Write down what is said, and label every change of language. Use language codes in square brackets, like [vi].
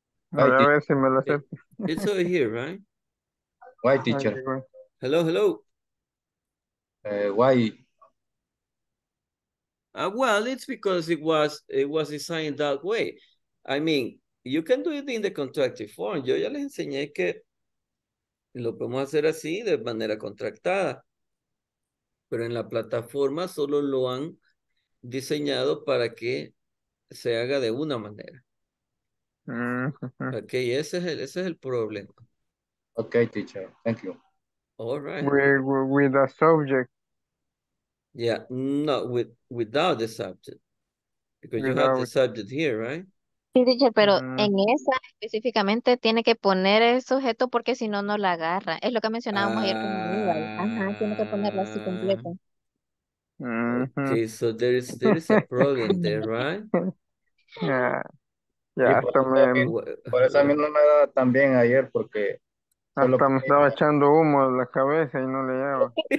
[en] It's over here, right? Why, teacher? Hello. Why? Well, it's because it was designed that way. I mean, you can do it in the contractive form. [es] Yo ya les enseñé que lo podemos hacer así, de manera contractada. Pero en la plataforma solo lo han diseñado para que se haga de una manera. Okay, ese es el problema. [en] Okay, teacher. Thank you. All right. With the subject. Yeah, no, without the subject. Because you have the subject here, right? [es] Sí, teacher, pero en esa específicamente tiene que poner el sujeto porque si no, no la agarra. Es lo que mencionábamos ayer. Tiene que ponerlo así completo. [en] Okay, so there is a problem there, right? Yeah. [es] Ya, hasta me... Por eso a mí no me daba tan bien ayer, porque... Hasta me estaba echando humo en la cabeza y no le llevaba.